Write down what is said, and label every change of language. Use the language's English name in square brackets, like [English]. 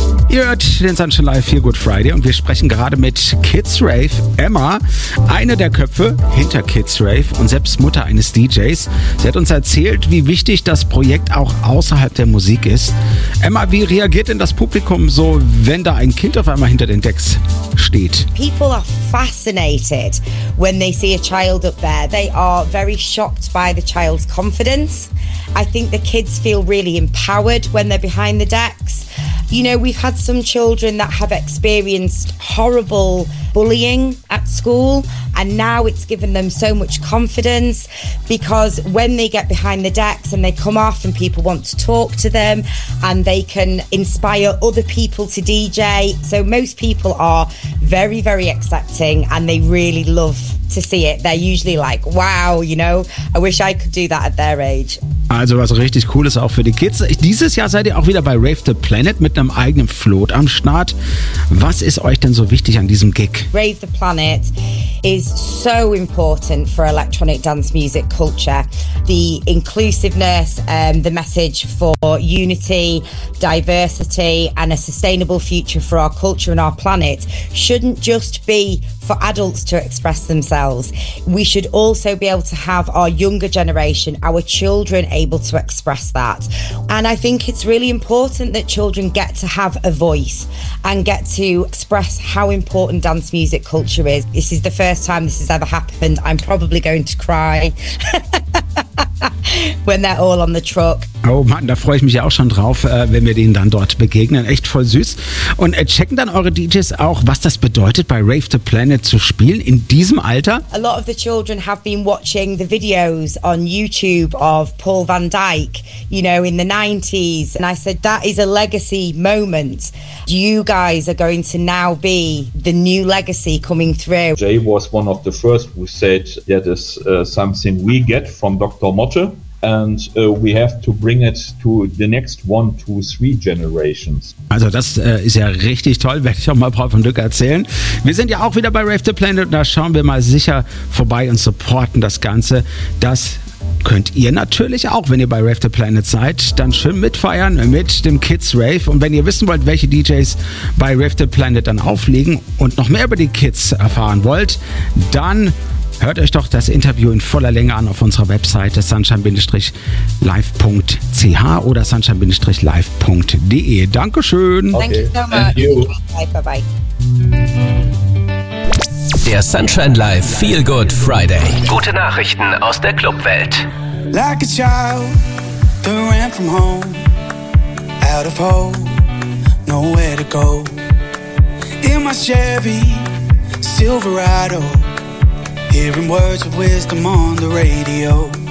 [German] Ihr hört den Sunshine Live Feel Good Friday und wir sprechen gerade mit Kids Rave Emma, eine der Köpfe hinter Kids Rave und selbst Mutter eines DJs. Sie hat uns erzählt, wie wichtig das Projekt auch außerhalb der Musik ist. Emma, wie reagiert denn das Publikum so, wenn da ein Kind auf einmal hinter den Decks steht? [English] People are fascinated when they see a child up there. They are very shocked by the child's confidence. I think the kids feel really empowered when they're behind the decks. You know, we've had some children that have experienced horrible bullying at school, and now it's given them so much confidence because when they get behind the decks and they come off and people want to talk to them and they can inspire other people to DJ. So most people are very, very accepting and they really love to see it. They're usually like, wow, you know, I wish I could do that at their age. [German] Also was richtig cool ist auch für die Kids. Dieses Jahr seid ihr auch wieder bei Rave the Planet mit einem eigenen Float am Start. Was ist euch denn so wichtig an diesem Gig? [English] Rave the Planet is so important for electronic dance music culture. The inclusiveness, the message for unity, diversity and a sustainable future for our culture and our planet shouldn't just be for adults to express themselves. We should also be able to have our younger generation, our children, able to express that. And I think it's really important that children get to have a voice and get to express how important dance music culture is. This is the first time this has ever happened. I'm probably going to cry when they're all on the truck. [German] Oh Mann, da freue ich mich ja auch schon drauf, wenn wir denen dann dort begegnen. Echt voll süß. Und checken dann eure DJs auch, was das bedeutet, bei Rave the Planet zu spielen in diesem Alter? [English] A lot of the children have been watching the videos on YouTube of Paul Van Dyk, you know, in the 90s. And I said, that is a legacy moment. You guys are going to now be the new legacy coming through. Jay was one of the first who said, that is something we get from Dr. Motte. And we have to bring it to the next 1, 2, 3 generations. [German] Also das ist ja richtig toll, werde ich auch mal Paul von Dück erzählen. Wir sind ja auch wieder bei Rave the Planet und da schauen wir mal sicher vorbei und supporten das Ganze. Das könnt ihr natürlich auch, wenn ihr bei Rave the Planet seid, dann schön mitfeiern mit dem Kids Rave. Und wenn ihr wissen wollt, welche DJs bei Rave the Planet dann auflegen und noch mehr über die Kids erfahren wollt, dann hört euch doch das Interview in voller Länge an auf unserer Webseite sunshine-live.ch oder sunshine-live.de. Dankeschön. [English] Okay. Thank you so much. You. Bye, bye, bye. [German] Der Sunshine Live Feel Good Friday. Gute Nachrichten aus der Clubwelt. [English] Like a child, ran from home. Out of hope, nowhere to go. In my Chevy, Silverado. Hearing words of wisdom on the radio.